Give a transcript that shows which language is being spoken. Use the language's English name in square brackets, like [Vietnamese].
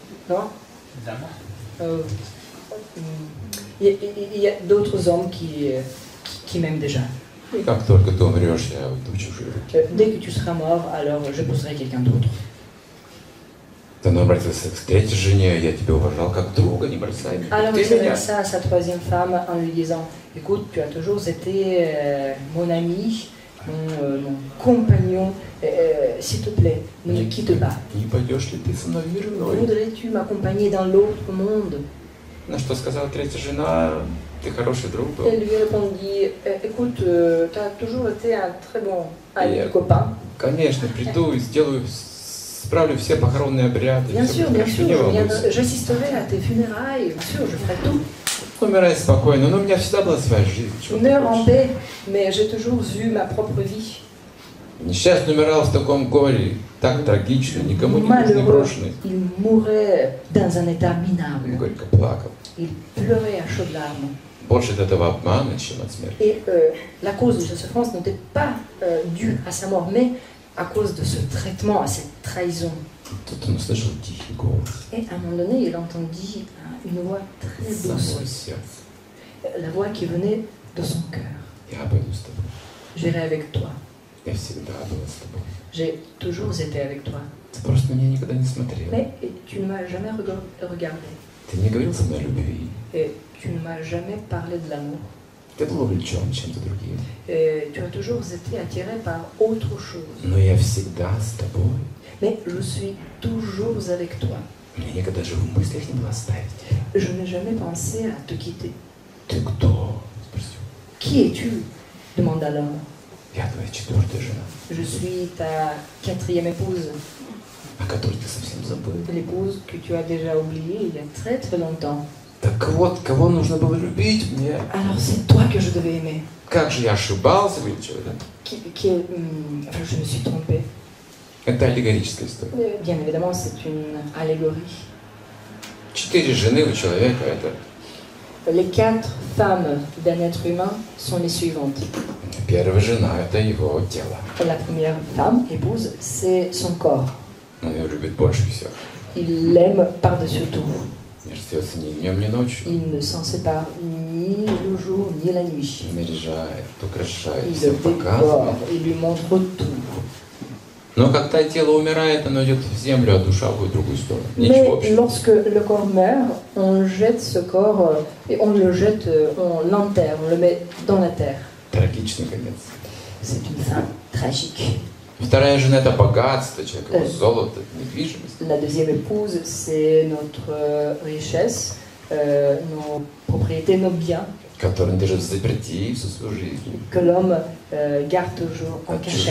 [French] Non? Il y a d'autres hommes qui m'aiment déjà. [Russian] И как только ты умрешь, я уйду в чужие руки. [French] Dès que tu seras mort, alors je pousserai quelqu'un d'autre. [Russian] Ты обратился к третьей жене, я тебя уважал как друга, не бросай меня. [French] Alors il s'adressa à sa troisième femme en lui disant, écoute, tu as toujours été mon ami, mon compagnon, s'il te plaît, ne me quitte pas. [Russian] Не пойдешь ли ты со мной в мир иной? [French] Voudrais-tu m'accompagner dans l'autre monde? [Russian] На что сказала третья жена? Ты хороший друг был. [French] Elle lui répondit, écoute, tu as toujours été un très bon ami, copain. [Russian] Конечно, приду и сделаю, справлю все похоронные обряды. [French] Bien sûr, j'assisterai à tes funérailles, bien sûr, je ferai tout. [Russian] Умирай спокойно, но у меня всегда была своя жизнь. Не рандай, [French] mais j'ai toujours eu ma propre vie. [Russian] Несчастный умирал в таком горе, так трагично, никому не нужный, брошенный. [French] Il mourait dans un état minable. [Russian] Он горько плакал. [French] Il pleurait à chaudes larmes. [Russian] Больше от этого обмана, чем от смерти. [French] Et la cause de sa souffrance n'était pas due à sa mort, mais à cause de ce traitement, à cette trahison. [Russian] Тут он услышал тихий голос. [French] Et à un moment donné, il entendit une voix très douce. La voix qui venait de son cœur. [Russian] Я пойду с тобой. [French] J'irai avec toi. [Russian] Я всегда был с тобой. [French] J'ai toujours été avec toi. [Russian] Ты просто меня никогда не смотрел. [French] Mais tu ne m'as jamais regardé. [Russian] Ты не говорил со мной о любви. [French] Et tu ne m'as jamais parlé de l'amour. [Russian] Ты был увлечен чем-то другим. [French] Et tu as toujours été attiré par autre chose. [Russian] Но я всегда с тобой. [French] Mais je suis toujours avec toi. [Russian] Мне никогда же в мыслях не было оставить тебя. [French] Je n'ai jamais pensé à te quitter. [Russian] Ты кто? Спросил. [French] Qui es-tu? Demanda l'homme. [Russian] Я твоя четвертая жена. [French] Je suis ta quatrième épouse. [Russian] О которой ты совсем забыл. [French] L'épouse que tu as déjà oubliée il y a très très longtemps. [Russian] Так вот, кого нужно было любить мне? [French] Alors, c'est toi que je devais aimer. [Russian] Как же я ошибался, или что это? [French] Je me suis trompé. [Russian] Это аллегорическая история. [French] Bien évidemment, c'est une allégorie. [Russian] Четыре жены у человека – это? [French] Les quatre femmes d'un être humain sont les suivantes. [Russian] Первая жена – это его тело. [French] La première femme, épouse, c'est son corps. [Russian] Он ее любит больше всех. [French] Il l'aime par-dessus tout. [Russian] Ни днем, ни ночью. [French] Il ne s'en sépare [Russian] ни [French] le jour, [Russian] ни [French] la nuit. Il le décore, il lui montre tout. [Russian] Но когда тело умирает, оно идет в землю, а душа будет в другую сторону. Ничего [French] Mais [Russian] общего. [French] Lorsque le corps meurt, on jette ce corps, et on le jette, on l'enterre, on le met dans la terre. [Russian] Трагичный конец. [French] C'est une fin tragique. [Russian] Вторая жена – это богатство человека, его золото, недвижимость. [French] La deuxième épouse, c'est notre richesse, nos propriétés, nos biens. [Russian] Которые он держит в заперти всю свою жизнь. [French] Que l'homme garde toujours en cachette.